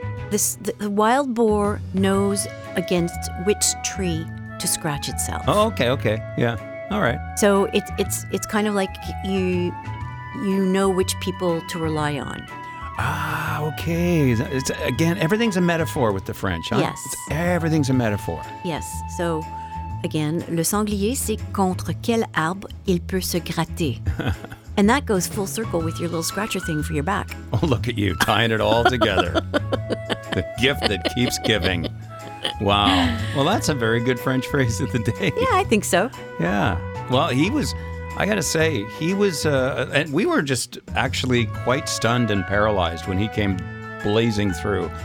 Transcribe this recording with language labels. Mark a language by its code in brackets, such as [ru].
[en] The wild boar knows against which tree to scratch itself. Oh, okay. Yeah. All right. So it's kind of like you know which people to rely on. Ah, okay. It's again, everything's a metaphor with the French, huh? Yes. Everything's a metaphor. Yes. [fr] So again, le sanglier, c'est contre quel arbre il peut se gratter. [en] And that goes full circle with your little scratcher thing for your back. Oh, look at you, tying it all together. The gift that keeps giving. Wow. Well, that's a very good French phrase of the day. Yeah, I think so. Yeah. Well, he was, I got to say, he was, and we were just actually quite stunned and paralyzed when he came blazing through.